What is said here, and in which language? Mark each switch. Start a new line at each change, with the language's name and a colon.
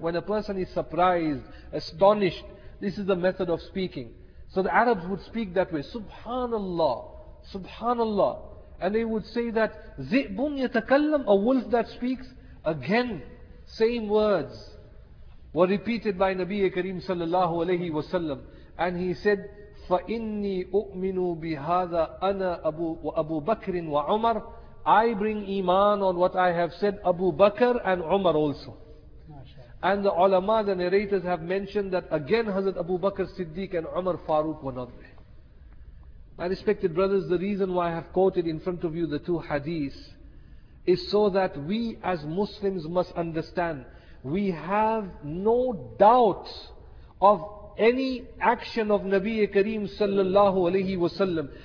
English: When a person is surprised, astonished, this is the method of speaking. So the Arabs would speak that way, Subhanallah, Subhanallah. And they would say that,
Arabic: zi'bun yatakallam,
English: a wolf that speaks. Again, same words were repeated by Nabi Kareem sallallahu alayhi wa sallam. And he said,
Arabic: فَإِنِّي أُؤْمِنُ بِهَذَا أَنَا أَبُو بَكْرٍ وَعُمَرٍ.
English: I bring iman on what I have said, Abu Bakr and Umar also. And the ulama, the narrators have mentioned that again Hazrat Abu Bakr Siddiq and Umar Farooq were not there. My respected brothers, the reason why I have quoted in front of you the two hadiths is so that we as Muslims must understand, we have no doubt of any action of Nabi Kareem sallallahu alayhi wa sallam.